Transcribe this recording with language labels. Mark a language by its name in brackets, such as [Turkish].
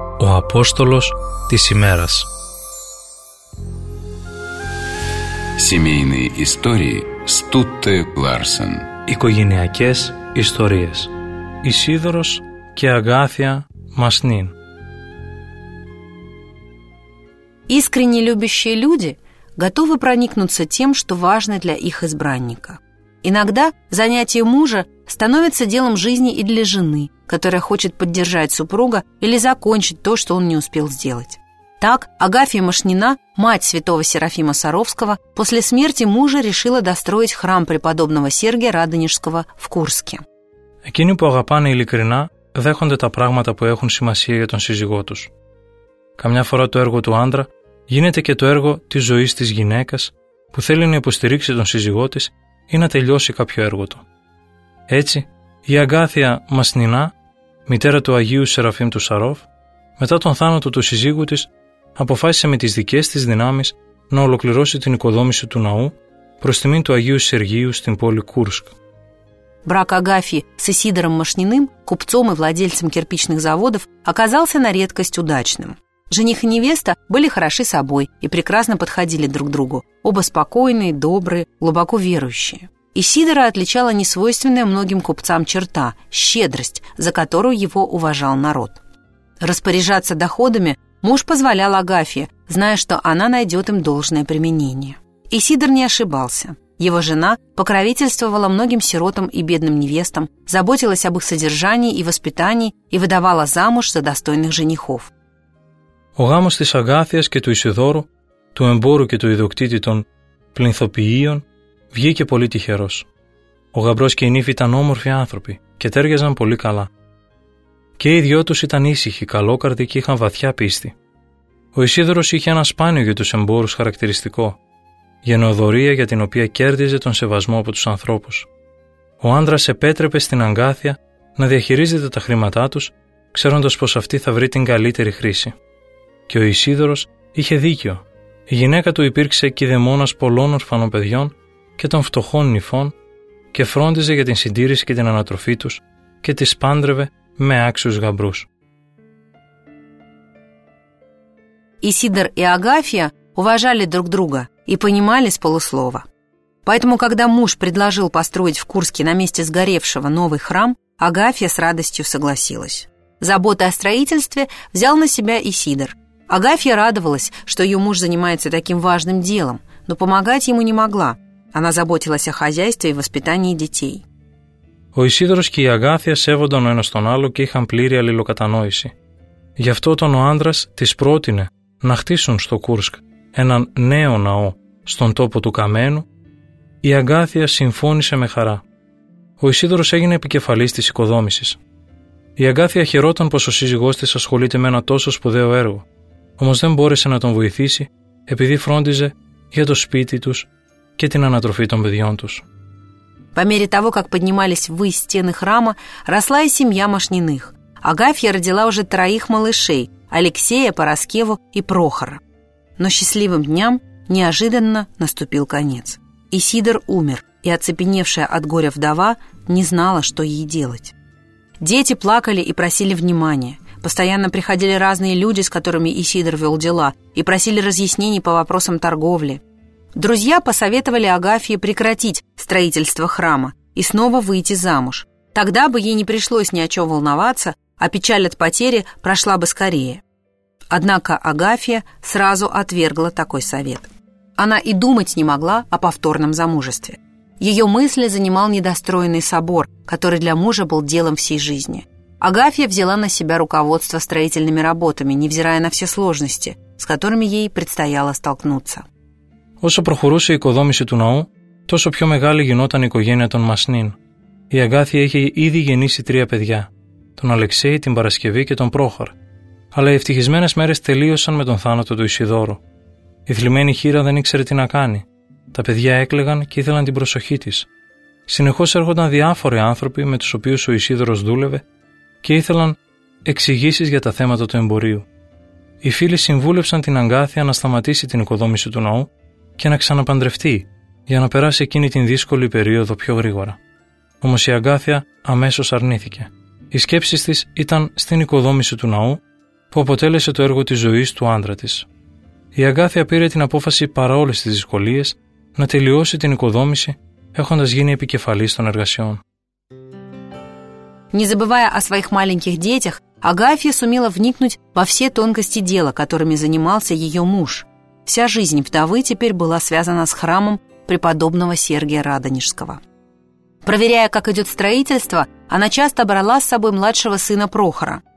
[Greek] О апостолос της имерас. [Russian] Семейные истории Стутте Ларсен. [Greek] Οικογενειακές ιστορίες. Ισίδωρος και Αγάθια Μασνίν. [Russian] Искренне любящие люди готовы проникнуться тем, что важно для их избранника. Иногда занятие мужа становится делом жизни и для жены, которая хочет поддержать супруга или закончить то, что он не успел сделать. Так Агафья Машнина, мать святого Серафима Саровского, после смерти мужа решила достроить храм преподобного Сергия Радонежского в Курске. [Greek] Εκείνοι που αγαπάνε ειλικρινά δέχονται τα πράγματα που έχουν σημασία για τον σύζυγό τους. Καμιά φορά το έργο του άντρα γίνεται και το έργο της ζωής της γυναίκας που θέλει να υποστηρίξει τον σύζυγό της ή να τελειώσει κάποιο έργο του. Έτσι, η Αγκάθια Μασνινά, μητέρα του Αγίου Σεραφείμ του Σαρόφ, μετά τον θάνατο του σύζυγου της, αποφάσισε με τις δικές της δυνάμεις να ολοκληρώσει την οικοδόμηση του ναού προς τιμήν του Αγίου Σεργίου στην πόλη Κούρσκ. [Russian] Брак Агафьи с Исидором Машниным, купцом и владельцем кирпичных заводов, оказался на редкость удачным. Жених и невеста были хороши собой и прекрасно подходили друг другу. Оба спокойные, добрые, глубоко верующие. Исидора отличала несвойственная многим купцам черта – щедрость, за которую его уважал народ. Распоряжаться доходами муж позволял Агафье, зная, что она найдет им должное применение. Исидор не ошибался. Его жена покровительствовала многим сиротам и бедным невестам, заботилась об их содержании и воспитании и выдавала замуж за достойных женихов. [Greek] Ο γάμος της Αγκάθιας και του Ισιδώρου, του εμπόρου και του ιδιοκτήτη των πληνθοποιείων, βγήκε πολύ τυχερός. Ο γαμπρός και η νύφη ήταν όμορφοι άνθρωποι και τέριαζαν πολύ καλά. Και οι δυο τους ήταν ήσυχοι, καλόκαρδοι και είχαν βαθιά πίστη. Ο Ισίδωρος είχε ένα σπάνιο για τους εμπόρους χαρακτηριστικό. Γενναιοδωρία για την οποία κέρδιζε τον σεβασμό από τους ανθρώπους. Ο άντρας επέτρεπε στην Αγκάθια να διαχειρίζεται τα χρήματά τους, ξέροντας πως αυτή θα βρει την καλύτερη χρήση. Και ο Ισίδωρος είχε δίκιο. Η γυναίκα του υπήρξε κηδεμόνας πολλών ορφανών παιδιών και των φτωχών νυφών και φρόντιζε για την συντήρηση και την ανατροφή τους και τις πάντρευε με άξιους γαμπρούς. [Russian] Исидор и Агафья уважали друг друга и понимали с полуслова. Поэтому, когда муж предложил построить в Курске на месте сгоревшего новый храм, Агафья с радостью согласилась. Заботы о строительстве взял на себя Исидор. Агафья радовалась, что ее муж занимается таким важным делом, но помогать ему не могла. Она заботилась о хозяйстве и воспитании детей. [Greek] Ο Исидорος και η Αγκάθια σέβονταν ο ένας τον άλλο και είχαν πλήρη αλληλοκατανόηση. Γι' αυτό τον ο άντρας της πρότεινε να χτίσουν στο Κούρσκ έναν νέο ναό στον τόπο του Καμένου, η Αγκάθια συμφώνησε με χαρά. Ο Ισίδωρος έγινε επικεφαλής της οικοδόμησης. Η Αγκάθια χαιρόταν πως ο σύζυγός της ασχολείται με ένα τόσο σπουδαίο έργο, όμως δεν μπόρεσε να τον βοηθήσει επειδή φρόντιζε για το σπίτι τους και την ανατροφή των παιδιών τους. [Russian] По мере того, как поднимались ввысь стены храма, росла и семья Машниных. Агафья родила уже 3 малышей – Алексея, Параскеву и Прохора. Но счастливым дням неожиданно наступил конец. Исидор умер, и оцепеневшая от горя вдова не знала, что ей делать. Дети плакали и просили внимания. Постоянно приходили разные люди, с которыми Исидор вел дела, и просили разъяснений по вопросам торговли. Друзья посоветовали Агафье прекратить строительство храма и снова выйти замуж. Тогда бы ей не пришлось ни о чем волноваться, а печаль от потери прошла бы скорее. Однако Агафья сразу отвергла такой совет. Она и думать не могла о повторном замужестве. Ее мысли занимал недостроенный собор, который для мужа был делом всей жизни. Агафья взяла на себя руководство строительными работами, невзирая на все сложности, с которыми ей предстояло столкнуться. [Greek] Όσο προχωρούσε η οικοδόμηση του ναού, τόσο πιο μεγάλη γινόταν η οικογένεια των Μασνίν. Η Αγκάθια είχε ήδη γεννήσει τρία παιδιά, τον Αλεξέη, την Παρασκευή και τον Πρόχορ. Αλλά οι ευτυχισμένες μέρες τελείωσαν με τον θάνατο του Ισιδώρου. Η θλιμμένη χείρα δεν ήξερε τι να κάνει. Τα παιδιά έκλαιγαν και ήθελαν την προσοχή της. Συνεχώς έρχονταν διάφοροι άνθρωποι με τους οποίους ο Ισίδωρος δούλευε και ήθελαν εξηγήσεις για τα θέματα του εμπορίου. Οι φίλοι συμβούλευσαν την Αγκάθια να σταματήσει την οικοδόμηση του ναού και να ξαναπαντρευτεί για να περάσει εκείνη την δύσκολη περίοδο πιο γρήγορα. Όμως η Αγκάθια αμέσως αρνήθηκε. Οι σκέψεις της ήταν στην οικοδόμηση του ναού που αποτέλεσε το έργο της ζωής του άντρα της. Η Αγκάθια πήρε την απόφαση παρά όλες τις δυσκολίες να τελειώσει την οικοδόμηση έχοντας γίνει επικεφαλής των εργασιών. [Russian] Не забывая о своих маленьких детях, Агафья сумела вникнуть во все тонкости дела, которыми занимался ее муж. Вся жизнь вдовы теперь была связана с храмом преподобного Сергия Радонежского. Проверяя, как идет строительство, она часто брала с собой младшего сына Прохора.